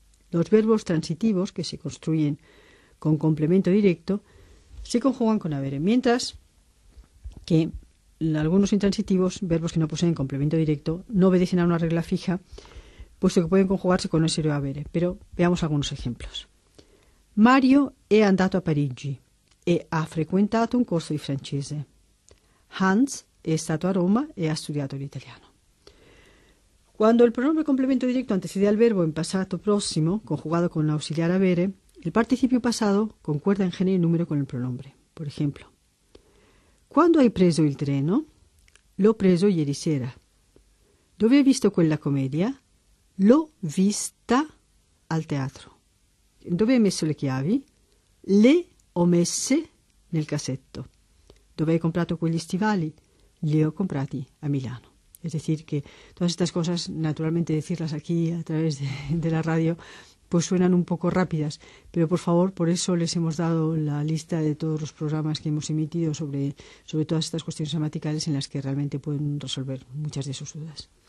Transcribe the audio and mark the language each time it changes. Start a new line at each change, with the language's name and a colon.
Spanish: Los verbos transitivos, que se construyen con complemento directo, se conjugan con avere, mientras que algunos intransitivos, verbos que no poseen complemento directo, no obedecen a una regla fija, puesto que pueden conjugarse con essere o avere. Pero veamos algunos ejemplos.
Italian: Mario è andato a Parigi e ha frequentato un corso di francese. Hans è stato a Roma e ha studiato l'italiano.
Spanish: Cuando el pronombre complemento directo antecede al verbo en pasado próximo, conjugado con auxiliar avere, el participio pasado concuerda en género y número con el pronombre. Por ejemplo,
Italian: ¿cuándo hai preso il treno? L'ho preso ieri sera. ¿Dove hai visto quella comedia? L'ho vista al teatro. ¿Dove hai messo le chiavi? Le ho messe nel cassetto. ¿Dove hai comprato quegli stivali? Li ho comprati a Milano.
Spanish: Es decir, que todas estas cosas, naturalmente decirlas aquí a través de la radio, pues suenan un poco rápidas. Pero por favor, por eso les hemos dado la lista de todos los programas que hemos emitido sobre todas estas cuestiones gramaticales, en las que realmente pueden resolver muchas de sus dudas.